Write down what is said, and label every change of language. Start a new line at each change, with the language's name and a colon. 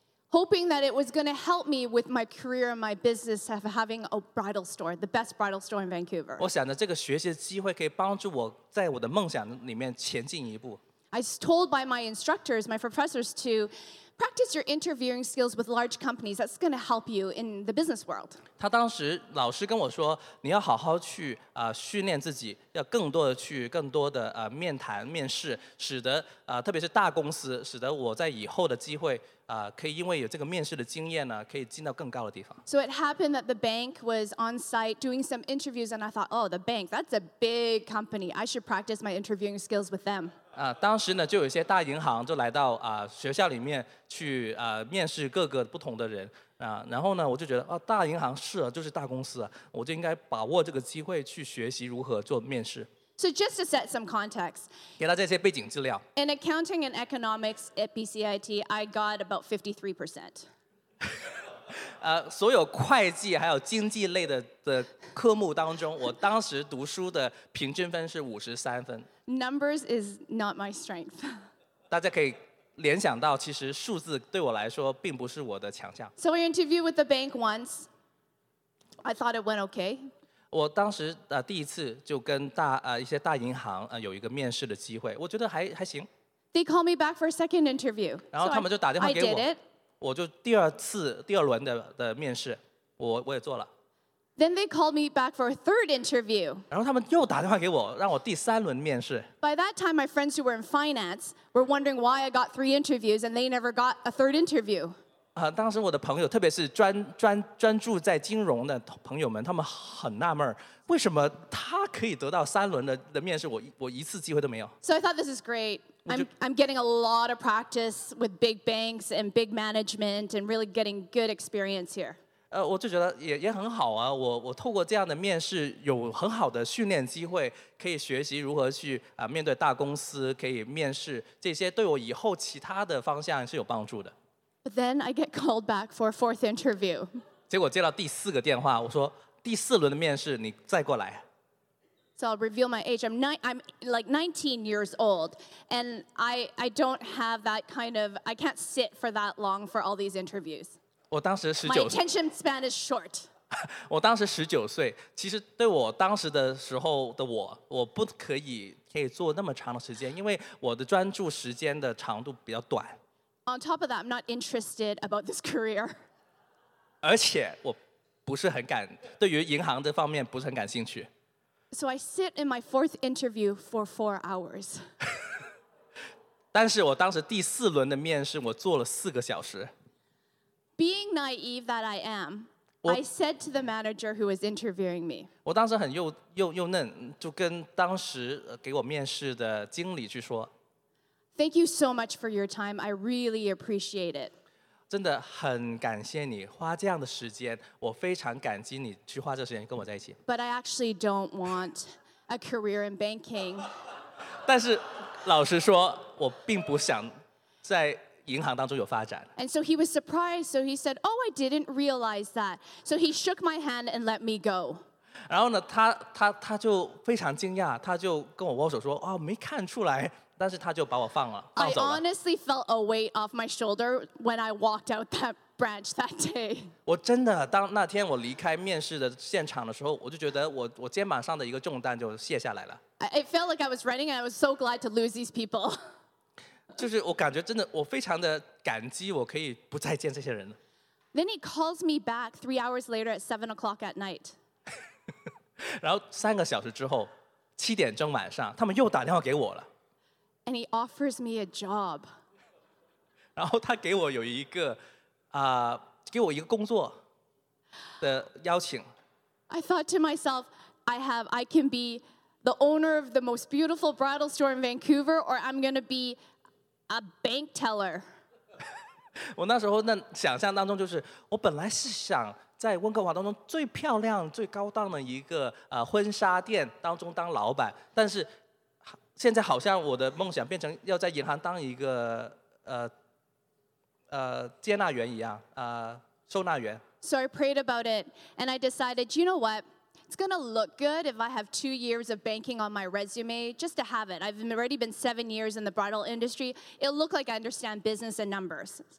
English: Hoping that it was going to help me with my career and my business of having a bridal store, the best bridal store in Vancouver.
Chinese: 我想着这个学习的机会可以帮助我在我的梦想里面前进一步。
English: I was told by my instructors, my professors, to practice your interviewing skills with large companies. That's going to help you in the business world.
Chinese: 他当时老师跟我说，你要好好去训练自己，要更多的面谈面试，使得特别是大公司，使得我在以后的机会可以因为有这个面试的经验呢，可以进到更高的地方。
English: So it happened that the bank was on site doing some interviews, and I thought, oh, the bank, that's a big company. I should practice my interviewing skills with them.
Chinese: 当时呢，就有一些大银行就来到学校里面去面试各个不同的人然后呢，我就觉得大银行是啊，就是大公司啊，我就应该把握这个机会去学习如何做面试。
English: So just to set some context,
Chinese: 给大家一些背景资料。
English: In accounting and economics at BCIT, I got about 53%.
Chinese: 所有会计还有经济类的科目当中，我当时读书的平均分是53分。
English: Numbers is not my strength.
Chinese: 大家可以联想到，其实数字对我来说并不是我的强项。
English: So I interviewed with the bank once. I thought it went okay.
Chinese: 我当时第一次就跟一些大银行有一个面试的机会，我觉得还行。
English: They called me back for a second interview.
Chinese: 然后他们就打电话给我。
English: I did it.
Chinese: 我就第二轮的面试，我也做了。
English: Then they called me back for a third interview.
Chinese: 然后他们又打电话给我，让我第三轮面试。
English: By that time, my friends who were in finance were wondering why I got 3 interviews and they never got a third interview.
Chinese: 当时我的朋友，特别是专注在金融的朋友们，他们很纳闷，为什么他可以得到3轮的面试，我一次机会都没有。
English: So I thought this is great. I'm getting a lot of practice with big banks and big management and really getting good experience here.
Chinese: 我就觉得也很好啊，我透过这样的面试有很好的训练机会，可以学习如何去面对大公司，可以面试，这些对我以后其他的方向是有帮助的。
English: But then I get called back for a fourth interview.
Chinese: 结果接到第四个电话，我说第四轮的面试，你再过来。
English: So I'll reveal my age. I'm like 19 years old, and I don't have that kind of. I can't sit for that long for all these interviews.
Chinese: 我当时十九。
English: My attention span is short.
Chinese: 我当时十九岁，其实对我当时的时候的我，我不可以做那么长的时间，因为我的专注时间的长度比较短。
English: On top of that, I'm not interested about this career.
Chinese: 而且我不是很感，对于银行这方面不是很感兴趣。
English: So I sit in my fourth interview for 4 hours.
Chinese: 但是我当时第四轮的面试，我做了四个小时。
English: Being naive that I am, I said to the manager who was interviewing me.
Chinese: 我当时很幼嫩，就跟当时给我面试的经理去说。
English: Thank you so much for your time. I really appreciate it.
Chinese: 真的很感谢你花这样的时间，我非常感激你去花这时间跟我在一起。
English: But I actually don't want a career in banking.
Chinese: 但是老实说，我并不想在银行当中有发展。
English: And so he was surprised. So he said, "Oh, I didn't realize that." So he shook my hand and let me go.
Chinese: 然后呢，他就非常惊讶，他就跟我握手说，哦，没看出来。但是他就把我放走了。
English: I honestly felt a weight off my shoulder when I walked out that branch that day.
Chinese: 我真的当那天我离开面试的现场的时候，我就觉得我肩膀上的一个重担就卸下来了。
English: It felt like I was running, and I was so glad to lose these people.
Chinese: 就是我感觉真的，我非常的感激，我可以不再见这些人了。
English: Then he calls me back 3 hours later at 7 o'clock at night.
Chinese: 然后三个小时之后，七点钟晚上，他们又打电话给我了。
English: And he offers me a job.
Chinese: 然后他给我有一个啊，给我一个工作的邀请。
English: I thought to myself, I can be the owner of the most beautiful bridal store in Vancouver, or I'm going to be a bank teller.
Chinese: 我那时候那想象当中就是，我本来是想在温哥华当中最漂亮、最高档的一个婚纱店当中当老板，但是。现在好像我的梦想变成要在银行当一个接纳员一样收纳员。
English: So I prayed about it, and I decided, you know what? It's gonna look good if I have 2 years of banking on my resume, just to have it. I've already been 7 years in the bridal industry. It'll look like I understand business and numbers.